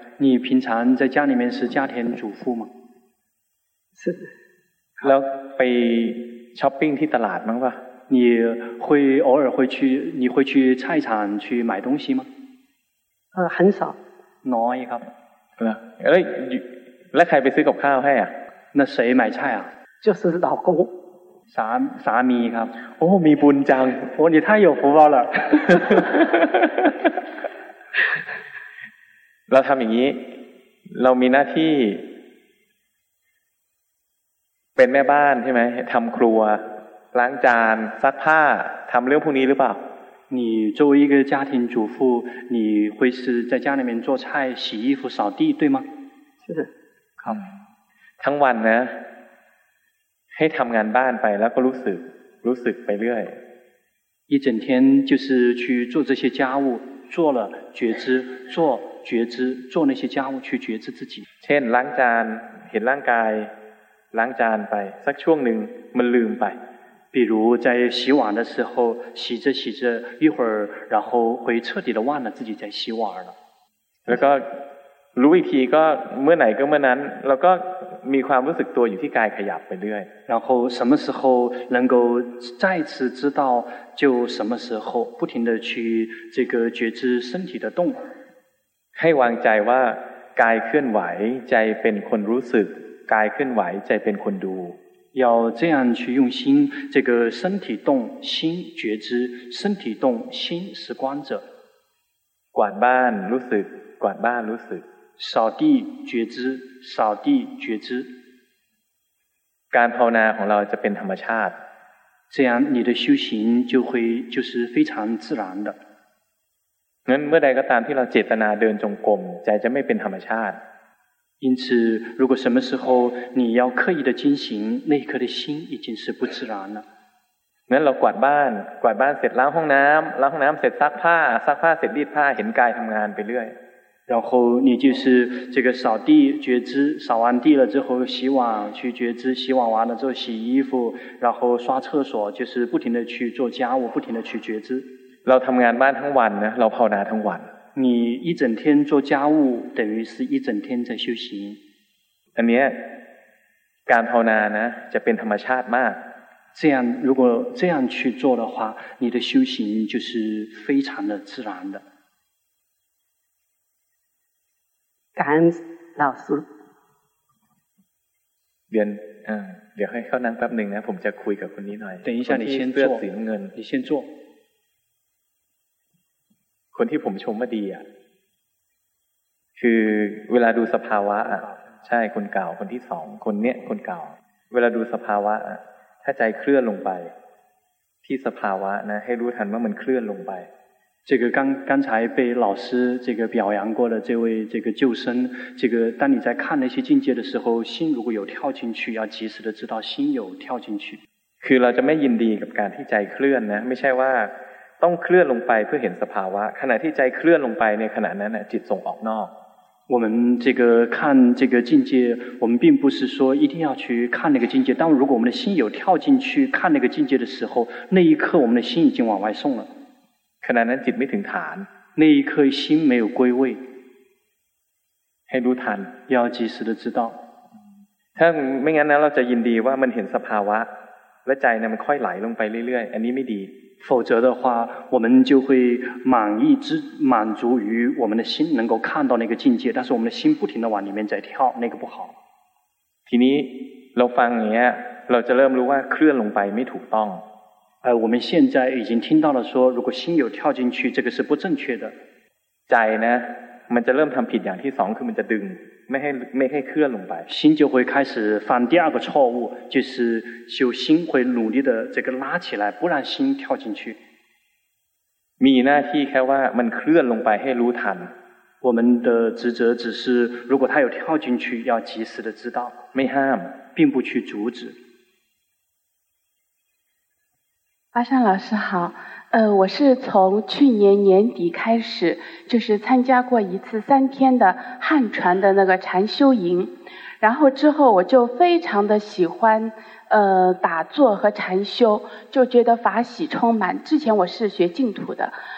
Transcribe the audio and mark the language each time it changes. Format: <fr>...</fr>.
<zh>你平常在家里面是家庭主妇吗是</zh> <th>แล้วไปช้อปปิ้งที่ตลาดมั้งป่ะ</th> <zh>你会偶尔会去你会去菜场去买东西吗很少</zh> <th>น้อยครับ แล้วแล้วใครไปซื้อกับข้าวให้อ่ะ</th> <zh>那谁买菜啊就是老公</zh> <th>สามีครับ โอ้มีบุญจัง</th> <zh>โอ้你太有福报了</zh> <th>เราทำอย่างนี้เรามีหน้าที่เป็นแม่บ้านใช่ไหมทำครัวล้างจานซักผ้าทำเรื่องพวกนี้หรือเปล่า</th> <zh>你作为一个家庭主妇你会是在家里面做菜洗衣服扫地对吗是</zh> <th>ครับ ทั้งวันนะให้ทำงานบ้านไปแล้วก็รู้สึกไปเรื่อย</th> <zh>一整天就是去做这些家务做了觉知做觉知做那些家务去觉知自己</zh> <th>เช่นล้างจานเห็นร่างกายล้างจานไปสักช่วงหนึ่งมันลืมไป</th> <zh>比如在洗碗的时候洗着洗着一会儿然后会彻底的忘了自己在洗碗了</zh> <th>แล้วก็รู้อีกทีก็เมื่อไหร่ก็เมื่อนั้นเราก็มีความรู้สึกตัวอยู่ที่กายขยับไปเรื่อย</th> <zh>然后什么时候能够再次知道就什么时候不停的去这个觉知身体的动</zh> <th>ให้วางใจว่ากายเคลื่อนไหวใจเป็นคนรู้สึกกายเคลื่อนไหวใจเป็นคนดู</th> <zh>要这样去用心这个身体动心觉知身体动心是观者</zh> <th>กวาดบ้านรู้สึกกวาดบ้านรู้สึก</th> <zh>扫地觉知扫地觉知</zh> <th>การภาวนาของเราจะเป็นธรรมชาติ</th> <zh>这样你的修行就是非常自然的</zh> <th>งั้นเมื่อใดก็ตามที่เราเจตนาเดินจงกรมใจจะไม่เป็นธรรมชาติ</th> <zh>因此如果什么时候你要刻意的进行那一刻的心已经是不自然了</zh> <th>งั้นเรากวาดบ้านกวาดบ้านเสร็จล้างห้องน้ําล้างห้องน้ําเสร็จซักผ้าซักผ้าเสร็จรีดผ้าเห็นกายทํางานไปเรื่อย</th> <zh>然后你就是这个扫地觉知扫完地了之后洗碗去觉知洗碗完了之后洗衣服然后刷厕所就是不停的去做家务不停的去觉知</zh> <th>เราทํางานบ้านทั้งวันนะเราภาวนาทั้งวัน</th> <zh>你一整天做家务等于是一整天在修行</zh> <th>อันนี้การภาวนานะจะเป็นธรรมชาติมาก</th> <zh>这样如果这样去做的话你的修行就是非常的自然的感恩老师</zh> <th>เดี๋ยวเดี๋ยวให้เข้านั่งแป๊บนึงนะผมจะคุยกับคนนี้หน่อย</th> <zh>等一下你先坐你先坐</zh> <th>คนที่ผมชมว่าดีอ่ะคือเวลาดูสภาวะอ่ะใช่คนเก่าคนที่สองคนเนี้ยคนเก่าเวลาดูสภาวะอ่ะถ้าใจเคลื่อนลงไปที่สภาวะนะให้รู้ทันว่ามันเคลื่อนลงไป</th> <zh>这个刚才被老师这个表扬过的这位这个救生这个当你在看那些境界的时候心如果有跳进去要及时的知道心有跳进去</zh> <th>คือเราจะไม่ยินดีกับการที่ใจเคลื่อนนะไม่ใช่ว่าต้องเคลื่อนลงไปเพื่อเห็นสภาวะขณะที่ใจเคลื่อนลงไปในขณะนั้นจิตส่งออกนอก</th> <zh>我们这个看这个境界我们并不是说一定要去看那个境界但如果我们的心有跳进去看那个境界的时候那一刻我们的心已经往外送了</zh> <th>ขณะนั้นจิตไม่ถึงฐาน</th> <zh>那一刻心没有归位</zh> <th>ให้รู้ทัน</th> <zh>要及时的知道</zh> <th>ถ้าไม่งั้นเราจะยินดีว่ามันเห็นสภาวะและใจมันค่อยไหลลงไปเรื่อยๆอันนี้ไม่ดี</th> <zh>否则的话我们就会满足于我们的心能够看到那个境界但是我们的心不停地往里面在跳那个不好</zh> <th>ทีนี้เราฟังอย่างเงี้ยเราจะเริ่มรู้ว่าเคลื่อนลงไปไม่ถูกต้อง</th> <zh>我们现在已经听到了说如果心有跳进去这个是不正确的</zh> <th>ใจนะมันจะเริ่มทำผิดอย่างที่สองคือมันจะดึงไม่ให้เคลื่อนลงไป</th> <zh>心就会开始犯第二个错误就是修心会努力的这个拉起来不让心跳进去</zh> <th>มีหน้าที่แค่ว่ามันเคลื่อนลงไปให้รู้ทัน</th> <zh>我们的职责只是如果它有跳进去要及时的知道</zh> <th>ไม่ห้าม</th> <zh>并不去阻止阿善老师好我是从去年年底开始就是参加过一次三天的汉传的那个禅修营然后之后我就非常的喜欢打坐和禅修就觉得法喜充满之前我是学净土的</zh>